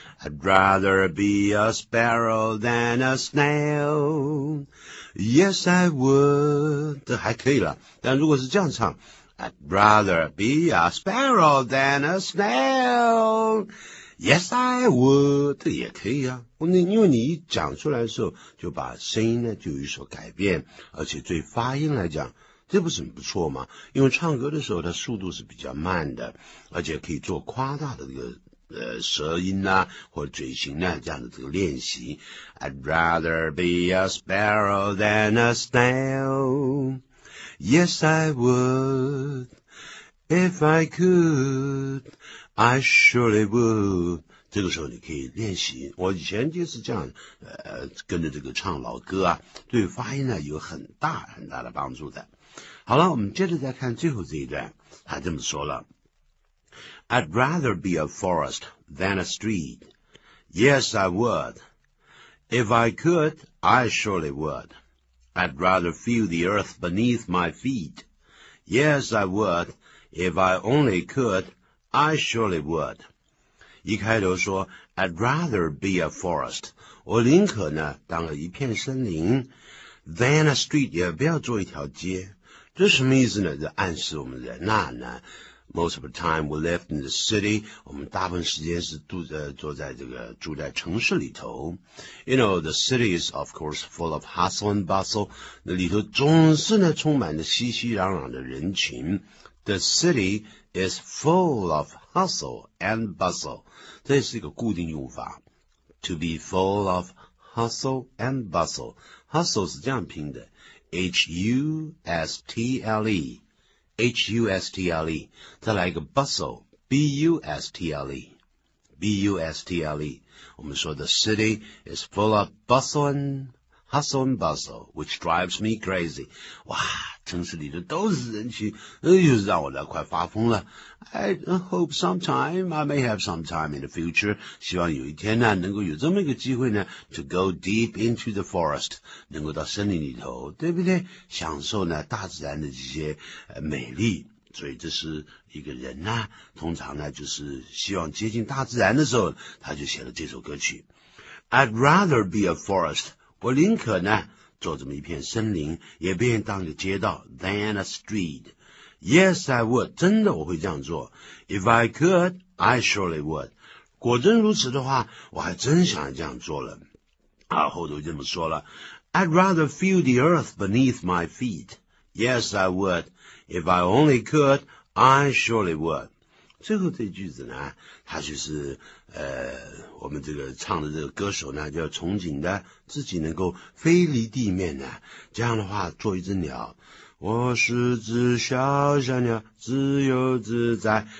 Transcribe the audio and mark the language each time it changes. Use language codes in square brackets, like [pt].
[en] I'd rather be a sparrow than a snail. Yes, I would. [zh] 这还可以了。但如果是这样唱， [en] I'd rather be a sparrow than a snail. Yes, I would. [zh] 这也可以啊。因为你一讲出来的时候，就把声音呢就有所改变，而且对发音来讲，这不是很不错吗？因为唱歌的时候，它速度是比较慢的，而且可以做夸大的这个舌音啊或嘴型啊这样的这个练习。 [en] I'd rather be a sparrow than a snail. Yes, I would. If I could, I surely would. [zh] 这个时候你可以练习。我以前就是这样跟着这个唱老歌啊，对发音呢有很大很大的帮助的。好了，我们接着再看最后这一段，他这么说了。 [en] I'd rather be a forest than a street. Yes, I would. If I could, I surely would. I'd rather feel the earth beneath my feet. Yes, I would. If I only could, I surely would. [zh] 一开头说 [en] I'd rather be a forest. [zh] 我宁可呢当了一片森林 [en] than a street. [zh] 也不要做一条街。这什么意思呢？这暗示我们人呐、啊、呢 [en] Most of the time we live in the city. [zh] 我们大部分时间是住在城市里头。 [en] You know, the city is of course full of hustle and bustle. [zh] 那里头总是呢充满着熙熙攘攘的人群。 [en] The city is full of hustle and bustle. [zh] 这是一个固定用法。 [en] To be full of hustle and bustle. [zh] Hustle 是这样拼的。H-U-S-T-L-E. [en] H-U-S-T-L-E, 再来一个 bustle, B-U-S-T-L-E, B-U-S-T-L-E. [zh] 我们说 [en] the city is full of bustle and hustle and bustle, which drives me crazy. [zh] 哇，城市里的都是人群，又让我来快发疯了。 [en] I hope sometime, I may have some time in the future, [zh] 希望有一天呢，能够有这么一个机会呢 [en] to go deep into the forest, [zh] 能够到森林里头，对不对？享受呢大自然的这些美丽。所以这是一个人呢，通常呢就是希望接近大自然的时候，他就写了这首歌曲。 [en] I'd rather be a forest, [zh] 我宁可呢做这么一片森林，也不愿意当个街道 [en] than a street. Yes, I would. [zh] 真的我会这样做。 [en] If I could, I surely would. [zh] 果真如此的话，我还真想这样做了。后头这么说了。 [en] I'd rather feel the earth beneath my feet. Yes, I would. If I only could, I surely would. [zh] 最后这句子呢，他就是我们这个唱的这个歌手呢，就要憧憬的自己能够飞离地面呢。这样的话，做一只鸟，我是只小小鸟，自由自在。